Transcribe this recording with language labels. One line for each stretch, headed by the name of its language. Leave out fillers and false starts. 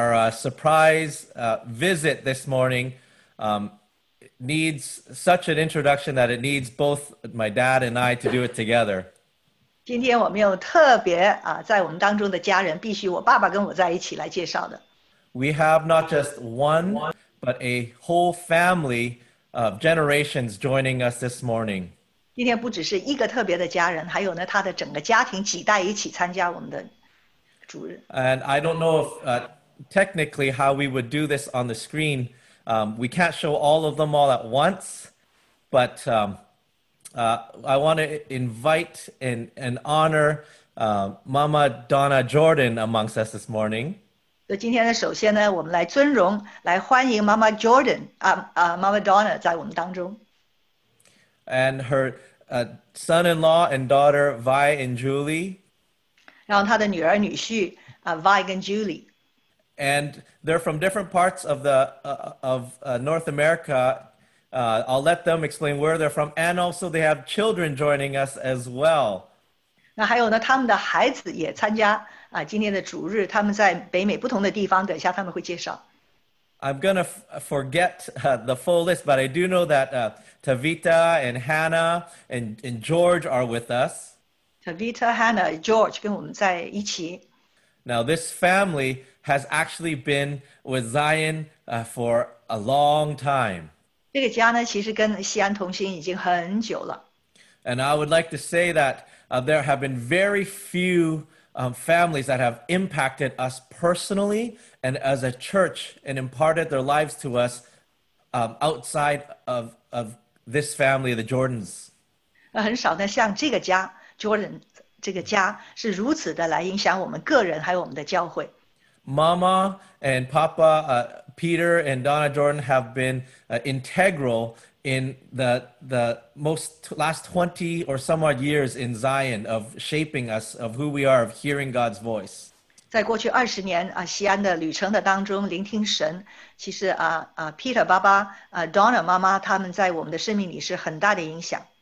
English: Surprise visit this morning needs such an introduction that it needs both my dad and I to do it together.
Chinese: 今天我们有特别在我们当中的家人必须我爸爸跟我在一起来介绍的。
English: We have not just one, but a whole family of generations joining us this morning.
Chinese: 今天不只是一个特别的家人,还有呢,他的整个家庭几代一起参加我们的主日。
English: And I don't know if... Technically, how we would do this on the screen, we can't show all of them all at once, but I want to invite and honor Mama Donna Jordan amongst us this morning. So,
Chinese: 今天呢,首先呢, 我们来尊荣, 来欢迎 Mama Jordan, Mama Donna 在我们当中。
English: And her son-in-law and daughter, Vi and Julie.
Chinese: 然后她的女儿女婿, Vi 跟 Julie.
English: And they're from different parts of the North America. I'll let them explain where they're from. And also they have children joining us as well.
Chinese: 那还有呢,他们的孩子也参加今天的主日,他们在北美不同的地方,等一下他们会介绍。
English: I'm going to forget the full list, but I do know that Tavita and Hannah and George are with us.
Chinese: Tavita, Hannah, George跟我们在一起。
English: Now this family has actually been with Zion for a long time.
Chinese: 这个家呢,其实跟西安同心已经很久了。
English: And I would like to say that there have been very few families that have impacted us personally and as a church and imparted their lives to us outside of this family, the Jordans.
Chinese: 很少呢,像这个家, Jordan. 这个家是如此的来影响我们个人还有我们的教会。
English: Mama and Papa Peter and Donna Jordan have been integral in the most last 20 or some odd years in Zion of shaping us of who we are of hearing God's voice.
Chinese: 在过去20年 西安的旅程的当中聆听神，其实 Peter 爸爸 Donna 妈妈他们在我们的生命里是很大的影响。